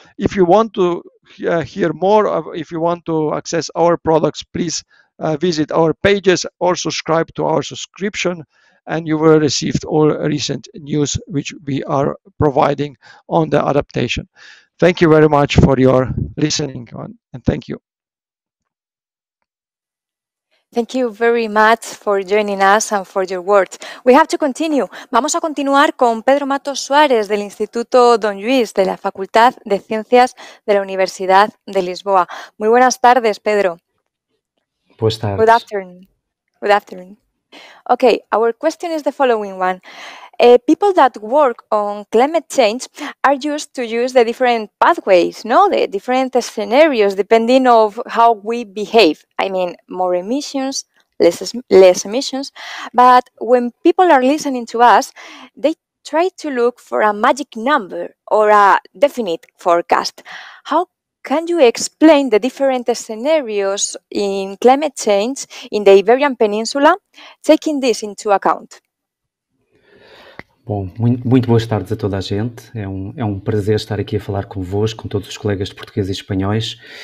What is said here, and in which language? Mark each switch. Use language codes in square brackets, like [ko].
[en] If you want to hear more, if you want to access our products, please visit our pages or subscribe to our subscription, and you will receive all recent news which we are providing on the adaptation. Thank you very much for your listening, and thank you. Thank you very much for joining us and for your words. We have to continue. [es] Vamos a continuar con Pedro Matos Suárez del Instituto Don Luis de la Facultad de Ciencias de la Universidad de Lisboa. Muy buenas tardes, Pedro. Buenas tardes. [en] Good afternoon. Good afternoon. Okay, our question is the following one. People that work on climate change are used to use the different pathways, no? The different scenarios depending on how we behave. I mean, more emissions, less emissions. But when people are listening to us, they try to look for a magic number or a definite forecast. How can you explain the different scenarios in climate change in the Iberian Peninsula, taking this into account? [pt] Bom, muito boas tardes a toda a gente. É um prazer estar aqui a falar convosco, com todos os colegas de português e espanhóis.